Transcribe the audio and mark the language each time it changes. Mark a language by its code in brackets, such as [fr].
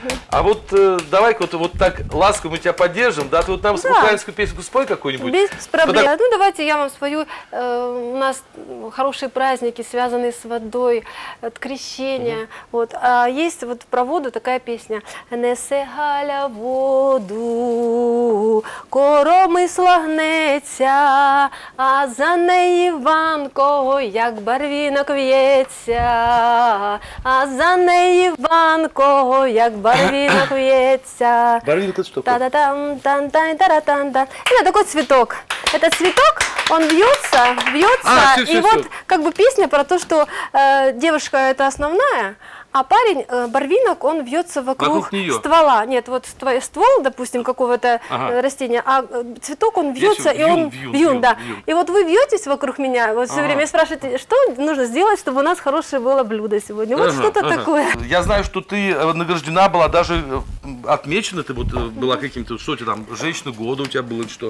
[ru] А вот давай-ка вот, вот так ласково мы тебя поддержим, да? Ты вот нам украинскую песенку спой какую-нибудь. Без проблем. Ну, давайте я вам спою. У нас хорошие праздники, связанные с водой, от крещения. Вот. А есть вот про воду такая песня. [uk] «Несе Галя воду, кором слагнеться, а за ней Іванко, як барвінок в'ється, а за ней Іванко, як барвінок в'ється». Барвінок – це що такое? Та-та-там-та-та-та-та-та-та. Це такий цвіток. Це цвіток, він б'ється, б'ється. І от, як би, пісня про те, що дівчинка – це основна, [ru] а парень, барвинок, он вьется вокруг ствола. Нет, вот ствол, допустим, какого-то растения, а цветок, он вьется, и он вьюн, да. И вот вы вьетесь вокруг меня вот все время и спрашиваете, что нужно сделать, чтобы у нас хорошее было блюдо сегодня. Вот что-то такое. Я знаю, что ты награждена была, даже отмечена ты вот была каким-то, что тебе там, женщина года у тебя было, что?